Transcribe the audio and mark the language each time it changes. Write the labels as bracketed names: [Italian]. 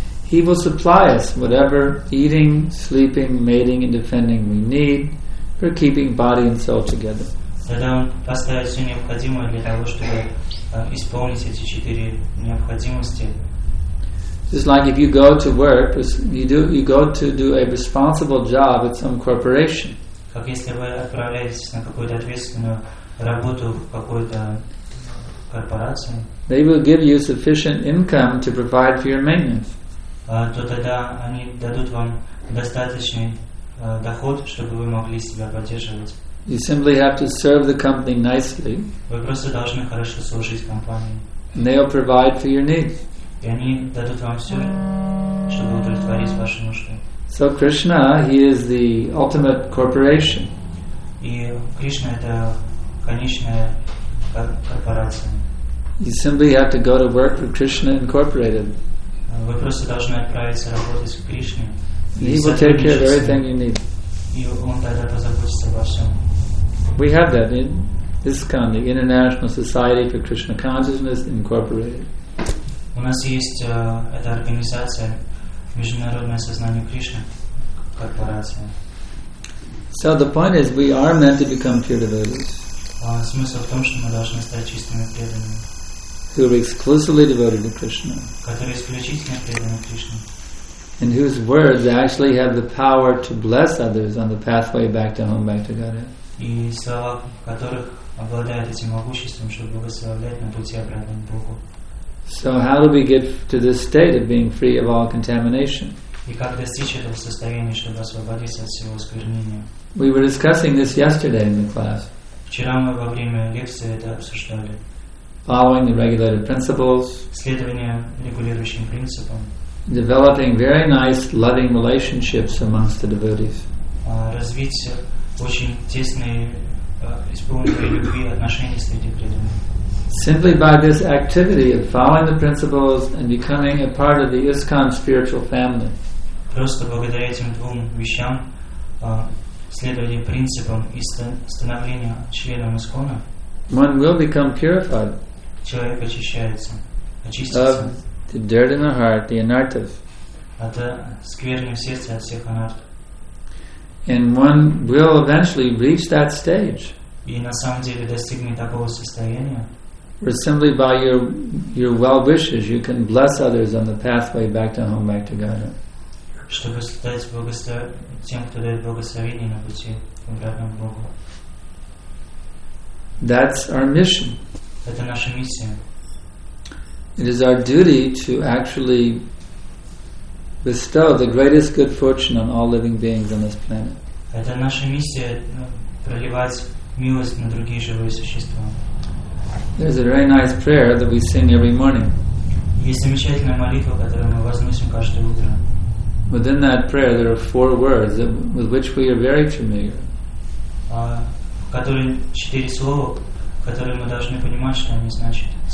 [English] He will supply us whatever eating, sleeping, mating, and defending we need for keeping body and soul together. [Russian] Тогда Он поставит все необходимое для того, чтобы исполнить эти четыре необходимости. [English] Just like if you go to work, you go to do a responsible job at some corporation. [Russian] Как если вы отправляетесь на какую-то ответственную работу в какой-то корпорации, [English] they will give you sufficient income to provide for your maintenance. [Russian] То тогда они дадут вам достаточный доход, чтобы вы могли себя поддерживать. [English] You simply have to serve the company nicely. [Russian] Вы просто должны хорошо служить компании. [English] And they will provide for your needs. [Russian] И они дадут вам все, чтобы удовлетворить ваши нужды. [English] So Krishna, He is the ultimate corporation. [Russian] И Кришна это конечная корпорация. [English] You simply have to go to work for Krishna Incorporated. [Russian] Вы просто должны отправиться работать в Кришне. [English] He will take care of everything you need. [Russian] И Он тогда позаботится обо всем. [English] We have that in ISKCON, the International Society for Krishna Consciousness Incorporated. [Russian] У нас есть эта организация, Международное сознание Кришны, корпорация. [English] So the point is, we are meant to become pure devotees. [Russian] Смысл в том, что мы должны стать чистыми преданными. [English] Who are exclusively devoted to Krishna. [Russian] Которые исключительно преданы Кришне. [English] And whose words actually have the power to bless others on the pathway back to home, back to Godhead. [Russian] И слова которых обладают этим могуществом, чтобы благословлять на пути обратно к Богу. [English] So how do we get to this state of being free of all contamination? [Russian] И как достичь этого состояния, чтобы освободиться от всего осквернения? [English] We were discussing this yesterday in the class. [Russian] Вчера мы во время лекции это обсуждали. [English] Following the regulated principles. [Russian] Следование регулирующим принципам. [English] Developing very nice, loving relationships amongst the devotees. [Russian] Развить очень тесные, исполненные любви отношения среди преданных. [English] Simply by this activity of following the principles and becoming a part of the ISKCON spiritual family. [Russian] Просто благодаря этим двум вещам, следование принципам и становление членом ИСКОНа, [English] one will become purified. [Russian] Человек очищается, очистится. [English] Of the dirt in the heart, the anarthas. [Russian] От скверны в сердце, от всех анарт. [English] And one will eventually reach that stage. [Russian] И на самом деле достигнуть такого состояния. [English] Where simply by your well wishes you can bless others on the pathway back to home, back to Godhead. [Russian] Чтобы стать тем, кто дает благословение на пути к обратному Богу. [English] That's our mission. [Russian] Это наша миссия. [English] It is our duty to actually bestow the greatest good fortune on all living beings on this planet. [Russian] Это наша миссия проливать милость на другие живые существа. [English] There's a very nice prayer that we sing every morning. [Russian] Есть замечательная молитва, которую мы возносим каждое утро. [English] Within that prayer, there are four words with which we are very familiar. [Russian] Которые четыре слова, которые мы должны понимать, что они значат.